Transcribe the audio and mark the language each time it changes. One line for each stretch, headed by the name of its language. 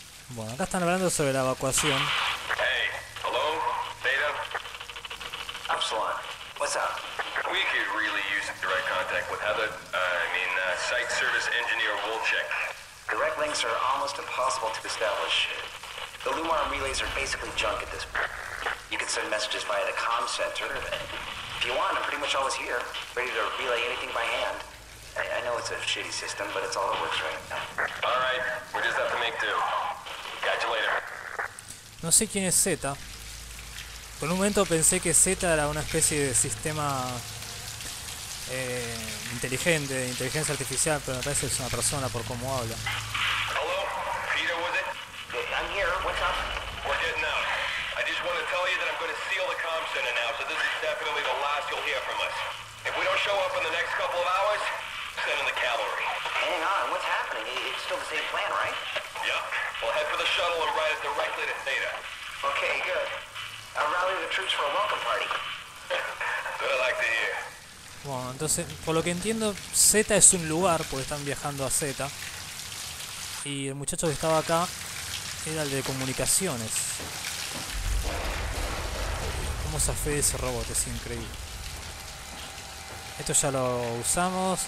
Spanish: Bueno, acá están hablando sobre la evacuación.
English: Hey, hello, Theta. Absalon, what's up? We could really use a direct contact with Heather. Site service engineer Wolchek. Direct links are almost impossible to establish. The Lumar relays are basically junk at this point. You can send messages via the comm center. If you want, I'm pretty much always here, ready to relay anything by hand. I know it's a shitty system, but it's all that works right now. All right, we just have to make do. Catch you later.
Spanish: No sé quién es Zeta. Por un momento pensé que Zeta era una especie de sistema inteligente, de inteligencia artificial, pero me parece que es una persona por cómo habla.
English: Hello, Peter, was it? I'm here. What's up? We're getting out. I just want to tell you that I'm going to seal the comm center now, so this is definitely the last you'll hear from us. If we don't show up in the next couple of hours, send in the cavalry. Hang on, what's happening? It's still the same plan, right? Yeah. We'll head for the shuttle and ride it directly to Theta. Okay, good. I'll rally the troops for a welcome party. That I like to hear.
Spanish: Bueno, entonces, por lo que entiendo, Z es un lugar, porque están viajando a Z. Y el muchacho que estaba acá era el de comunicaciones. ¿Cómo zafé ese robot? Es increíble. Esto ya lo usamos.